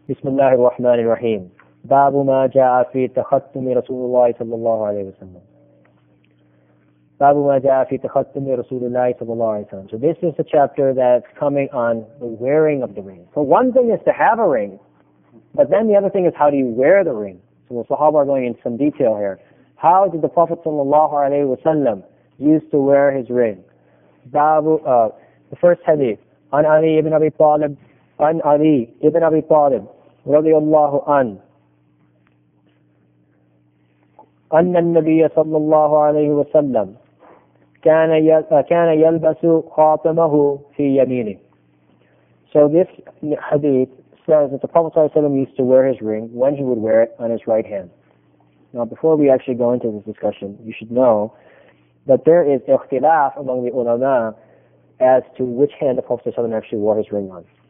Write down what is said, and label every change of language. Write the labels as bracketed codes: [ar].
[ar] بسم الله الرحمن الرحيم باب ما جاء في تختم رسول الله صلى الله عليه وسلم باب ما جاء في تختم رسول الله صلى الله عليه وسلم [en] So this is a chapter that's coming on the wearing of the ring. So one thing is to have a ring, but then the other thing is how do you wear the ring? So the Sahaba are going into some detail here. How did the Prophet صلى الله عليه وسلم used to wear his ring? The first hadith, [ar] عن علي بن أبي طالب عن علي بن أبي طالب رضي الله عنه أن النبي صلى الله عليه وسلم كان يلبس خاتمه في يمينه. [en] So this hadith says that the Prophet صلى الله عليه وسلم used to wear his ring when he would wear it on his right hand. Now before we actually go into this discussion, you should know that there is ikhtilaf among the ulama as to which hand the Prophet ﷺ actually wore his ring on.